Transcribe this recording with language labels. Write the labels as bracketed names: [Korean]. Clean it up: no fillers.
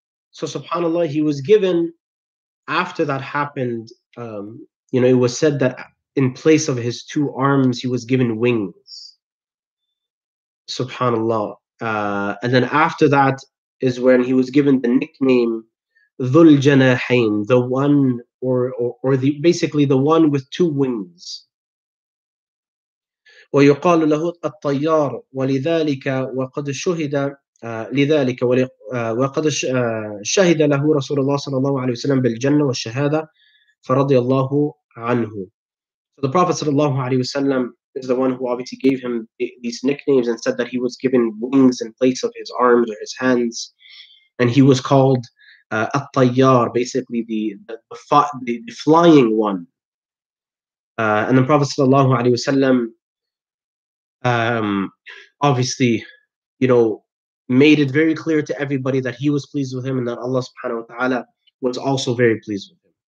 [English] So subhanAllah, he was given, after that happened, you know, it was said that in place of his two arms, he was given wings. Subhanallah. And then after that is when he was given the nickname Dhul Janahain, the one or the basically the one with two wings. [Arabic] ويقال له الطيار ولذلك وقد شهد لذلك وقد شهد له رسول الله صلى الله عليه وسلم بالجنة والشهادة فرضي الله عنه. [English] So the Prophet [Arabic] صلى الله عليه وسلم [English] is the one who obviously gave him these nicknames and said that he was given wings in place of his arms or his hands, and he was called الطيار, basically the flying one. And the Prophet [Arabic] صلى الله عليه وسلم [English] obviously, you know, made it very clear to everybody that he was pleased with him and that Allah subhanahu wa ta'ala was also very pleased with him.